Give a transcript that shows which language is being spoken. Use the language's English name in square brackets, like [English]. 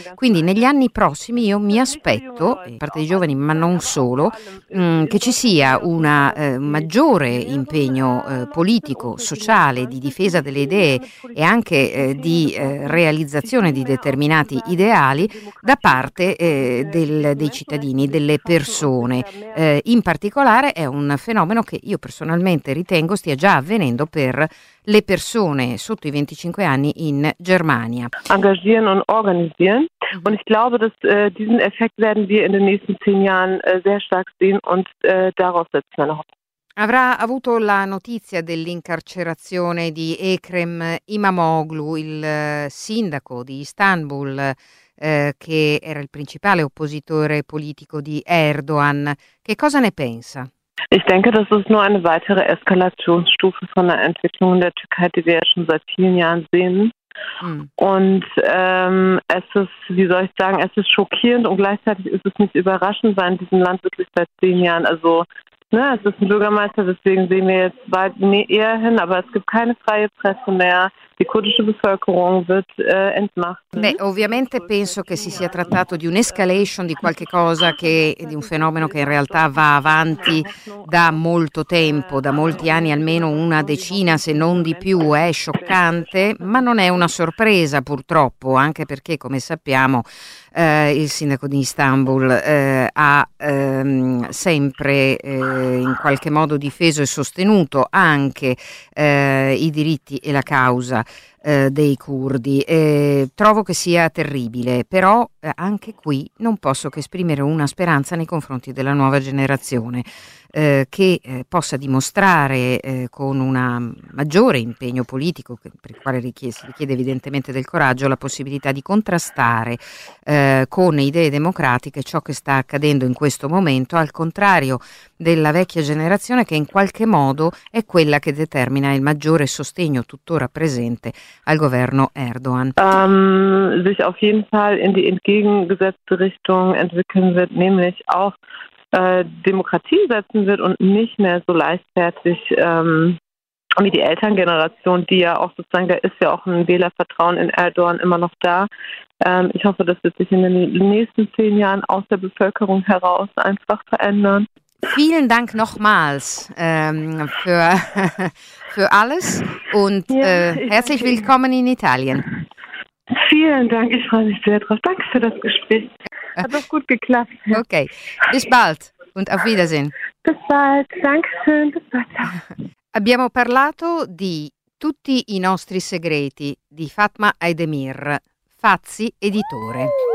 [Italian] Quindi negli anni prossimi io mi aspetto, da parte dei giovani ma non solo, che ci sia un maggiore impegno politico, sociale, di difesa delle idee e anche di realizzazione di determinati ideali da parte dei cittadini, delle persone. In particolare è un fenomeno che io personalmente ritengo stia già avvenendo per le persone sotto i 25 anni in Germania. [German] Engagieren und organisieren. Und ich glaube, dass diesen Effekt werden wir in den nächsten 10 Jahren sehr stark sehen und darauf setzen wir noch. [Italian] Avrà avuto la notizia dell'incarcerazione di Ekrem Imamoglu, il sindaco di Istanbul, che era il principale oppositore politico di Erdogan. Che cosa ne pensa? [German] Ich denke, das ist nur eine weitere Eskalationsstufe von der Entwicklung in der Türkei, die wir ja schon seit vielen Jahren sehen. Und es ist, wie soll ich sagen, es ist schockierend und gleichzeitig ist es nicht überraschend, weil in diesem Land wirklich seit 10 Jahren, also ne, es ist ein Bürgermeister, deswegen sehen wir jetzt weit eher hin, aber es gibt keine freie Presse mehr. Die kurdische Bevölkerung wird entmachtet. [Italian] Beh, ovviamente penso che si sia trattato di un'escalation di qualche cosa, che di un fenomeno che in realtà va avanti da molto tempo, da molti anni, almeno una decina se non di più. È scioccante, ma non è una sorpresa purtroppo, anche perché, come sappiamo, il sindaco di Istanbul ha sempre in qualche modo difeso e sostenuto anche i diritti e la causa dei curdi. Trovo che sia terribile, però anche qui non posso che esprimere una speranza nei confronti della nuova generazione, che possa dimostrare con un maggiore impegno politico, per il quale si richiede evidentemente del coraggio, la possibilità di contrastare con idee democratiche ciò che sta accadendo in questo momento, al contrario della vecchia generazione, che in qualche modo è quella che determina il maggiore sostegno tuttora presente al governo Erdogan. [German] Sich auf jeden Fall in die entgegengesetzte Richtung entwickeln wird, nämlich auch Demokratie setzen wird und nicht mehr so leichtfertig wie die Elterngeneration, die ja auch sozusagen, da ist ja auch ein Wählervertrauen in Erdogan immer noch da. Ich hoffe, das wird sich in den nächsten 10 Jahren aus der Bevölkerung heraus einfach verändern. Vielen Dank nochmals für alles und herzlich willkommen in Italien. Vielen Dank, ich freue mich sehr drauf. Danke für das Gespräch. Hat auch gut geklappt. Okay, bis bald und auf Wiedersehen. Bis bald, Dankeschön, bis bald. [Italian] Abbiamo parlato di Tutti i nostri segreti di Fatma Aydemir, Fazzi Editore.